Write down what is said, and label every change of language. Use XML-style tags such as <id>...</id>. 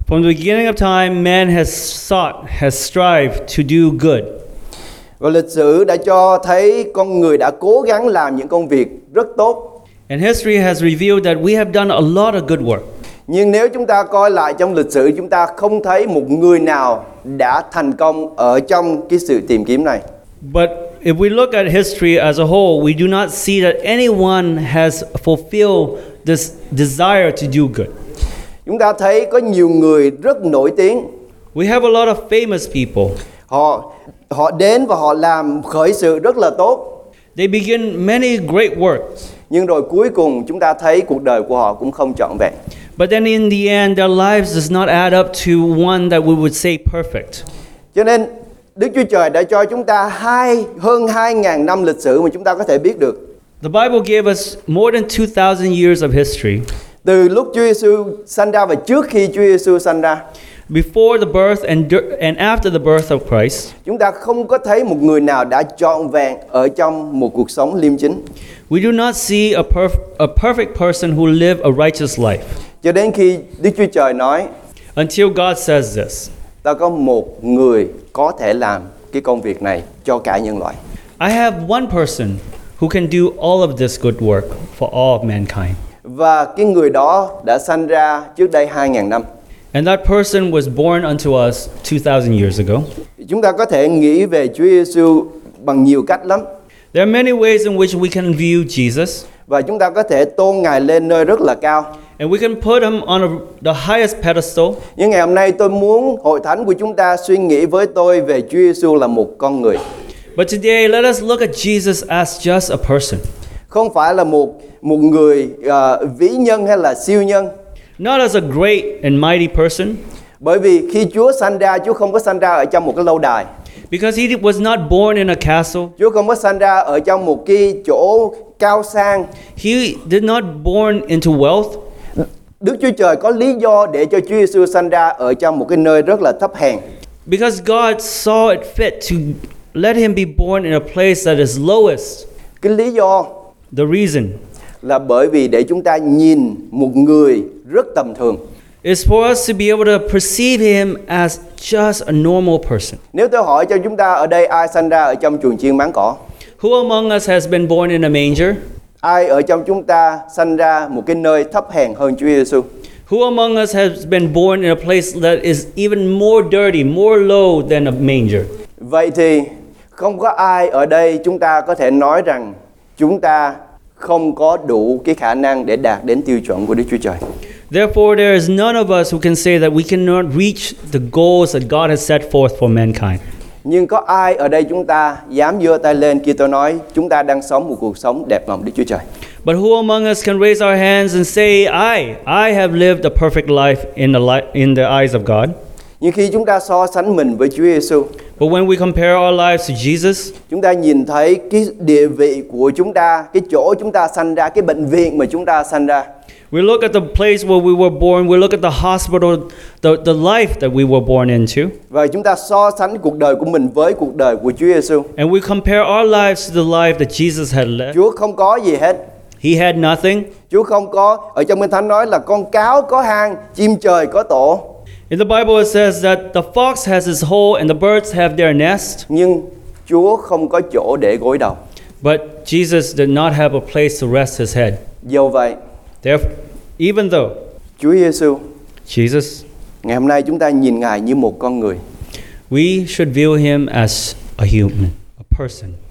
<en>From the beginning of time, man has sought, has strived to do good.</en> <vi>Và lịch sử đã cho thấy con người đã cố gắng làm những công việc rất tốt.</vi> <en>And history has revealed that we have done a lot of good work.</en> <vi>Nhưng nếu chúng ta coi lại trong lịch sử, chúng ta không thấy một người nào đã thành công ở trong cái sự tìm kiếm này.</vi> <en>But if we look at history as a whole, we do not see that anyone has fulfilled this desire to do good.</en> <vi>Chúng ta thấy có nhiều người rất nổi tiếng.</vi> <en>We have a lot of famous people.</en> <vi>Họ đến và họ làm khởi sự rất là tốt.</vi> <en>They begin many great works.</en> <vi>Nhưng rồi cuối cùng chúng ta thấy cuộc đời của họ cũng không trọn vẹn.</vi> <en>But then in the end, their lives does not add up to one that we would say perfect.</en> <vi>Cho nên Đức Chúa Trời đã cho chúng ta hơn 2000 năm lịch sử mà chúng ta có thể biết được.</vi> <en>The Bible gave us more than 2000 years of history.</en> <vi>Từ lúc Chúa Giêsu sanh ra và trước khi Chúa Giêsu sanh ra.</vi> <en>Before the birth and after the birth of Christ.</en> <vi>Chúng ta không có thấy một người nào đã trọn vẹn ở trong một cuộc sống liêm chính.</vi> <en>We do not see a perfect person who live a righteous life.</en> <vi>Cho đến khi Đức Chúa Trời nói,</vi> <en>until God says this.</en> <vi>Ta có một người có thể làm cái công việc này cho cả nhân loại.</vi> <en>I have one person who can do all of this good work for all of mankind.</en> <vi>Và cái người đó đã sanh ra trước đây 2000 năm.</vi> <en>And that person was born unto us 2000 years ago.</en> <vi>Chúng ta có thể nghĩ về Chúa Giêsu bằng nhiều cách lắm.</vi> <en>There are many ways in which we can view Jesus.</en> <vi>Và chúng ta có thể tôn Ngài lên nơi rất là cao.</vi> <en>And we can put him on the highest pedestal.</en> <vi>Nhưng ngày hôm nay tôi muốn hội thánh của chúng ta suy nghĩ với tôi về Chúa Giêsu là một con người.</vi> <en>But today let us look at Jesus as just a person.</en> <vi>Không phải là một người vĩ nhân hay là siêu nhân.</vi> <en>Not as a great and mighty person.</en> <vi>Bởi vì khi Chúa sanh ra, Chúa không có sanh ra ở trong một cái lâu đài.</vi> <en>Because he was not born in a castle.</en> <vi>Chúa không có sanh ra ở trong một cái chỗ cao sang.</vi> <en>He did not born into wealth.</en> <vi>Đức Chúa Trời có lý do để cho Chúa Giêsu sanh ra ở trong một cái nơi rất là thấp hèn.</vi> <en>Because God saw it fit to let him be born in a place that is lowest.</en> <vi>Cái lý do.</vi> <en>The reason.</en> <vi>Là bởi vì để chúng ta nhìn một người rất tầm thường.</vi> <en>It's for us to be able to perceive him as just a normal person.</en> <vi>Nếu tôi hỏi cho chúng ta ở đây ai sanh ra ở trong chuồng chiên máng cỏ?</vi> <en>Who among us has been born in a manger?</en> <vi>Ai ở trong chúng ta sanh ra một cái nơi thấp hèn hơn Chúa Giêsu?</vi> <en>Who among us has been born in a place that is even more dirty, more low than a manger?</en> <vi>Vậy thì không có ai ở đây chúng ta có thể nói rằng chúng ta không có đủ cái khả năng để đạt đến tiêu chuẩn của Đức Chúa Trời.</vi> <en>Therefore, there is none of us who can say that we cannot reach the goals that God has set forth for mankind.</en> <vi>Nhưng có ai ở đây chúng ta dám giơ tay lên khi tôi nói chúng ta đang sống một cuộc sống đẹp lòng Đức Chúa Trời?</vi> <en>But who among us can raise our hands and say, I have lived a perfect life in the eyes of God?</en> <vi>Nhưng khi chúng ta so sánh mình với Chúa Giêsu,</vi> <en>but when we compare our lives to Jesus,</en> <vi>chúng ta nhìn thấy cái địa vị của chúng ta, cái chỗ chúng ta sanh ra, cái bệnh viện mà chúng ta sanh ra.</vi> <en>We look at the place where we were born, we look at the hospital, the life that we were born into.</en> <vi>Và chúng ta so sánh cuộc đời của mình với cuộc đời của Chúa Giêsu.</vi> <en>And we compare our lives to the life that Jesus had led.</en> <vi>Chúa không có gì hết.</vi> <en>He had nothing.</en> <vi>Chúa không có, ở trong Kinh Thánh nói là con cáo có hang, chim trời có tổ.</vi> <en>In the Bible it says that the fox has his hole and the birds have their nest.</en> <vi>Nhưng Chúa không có chỗ để gối đầu.</vi> <en>But Jesus did not have a place to rest his head.</en> <vi>Dù vậy,</vi> <en>therefore, even though</en> <vi>Chúa Giêsu,</vi> <en>Jesus,</en> <vi>ngày hôm nay chúng ta nhìn Ngài như một con người.</vi> <en>We should view him as a human, a person.</en>